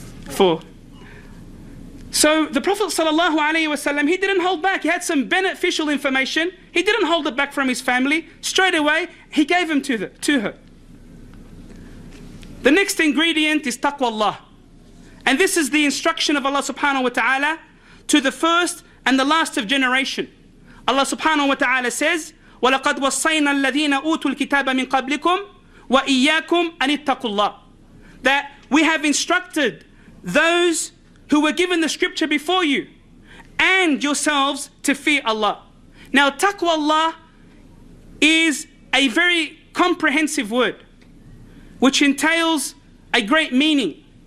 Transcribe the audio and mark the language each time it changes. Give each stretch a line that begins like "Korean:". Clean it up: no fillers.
English: Four. So the Prophet sallallahu alaihi wasallam, he didn't hold back. He had some beneficial information. He didn't hold it back from his family. Straight away, he gave them to her. The next ingredient is taqwa Allah. And this is the instruction of Allah subhanahu wa ta'ala to the first and the last of generation. Allah subhanahu wa ta'ala says,
Arabic: وَلَقَدْ وَصَّيْنَا الَّذِينَ أُوتُوا الْكِتَابَ مِنْ قَبْلِكُمْ وَإِيَّاكُمْ أَنِ اتَّقُوا اللَّهِ.
English: That we have instructed those who were given the scripture before you and yourselves to fear Allah. Now taqwa Allah is a very comprehensive word which entails a great meaning.